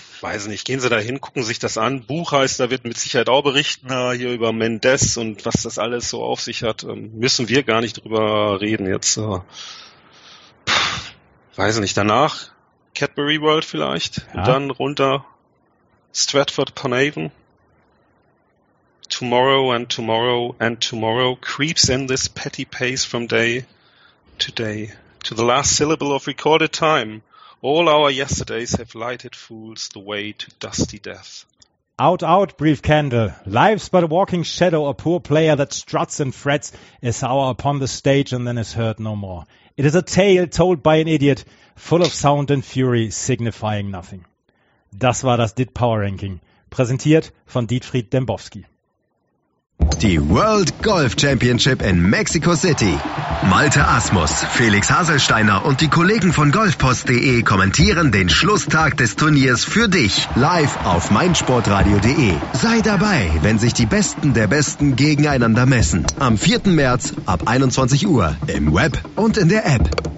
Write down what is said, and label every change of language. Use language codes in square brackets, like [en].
[de] weiß nicht, gehen sie da hin, gucken sich das an. Buchheister wird mit Sicherheit auch berichten hier über Mendes und was das alles so auf sich hat. Müssen wir gar nicht drüber reden jetzt. Weiß nicht, danach Cadbury World vielleicht, ja. Und dann runter Stratford-upon-Avon. [en] Tomorrow and tomorrow and tomorrow creeps in this petty pace from day to day to the last syllable of recorded time. All our yesterdays have lighted fools the way to dusty death. Out, out, brief candle. Life's but a walking shadow, a poor player that struts and frets, is hour upon the stage and then is heard no more. It is a tale told by an idiot, full of sound and fury, signifying nothing. [de] Das war das DIT Power Ranking, präsentiert von Dietfried Dembowski. Die World Golf Championship in Mexico City. Malte Asmus, Felix Haselsteiner und die Kollegen von golfpost.de kommentieren den Schlusstag des Turniers für dich live auf meinsportradio.de. Sei dabei, wenn sich die Besten der Besten gegeneinander messen. Am 4. März ab 21 Uhr im Web und in der App.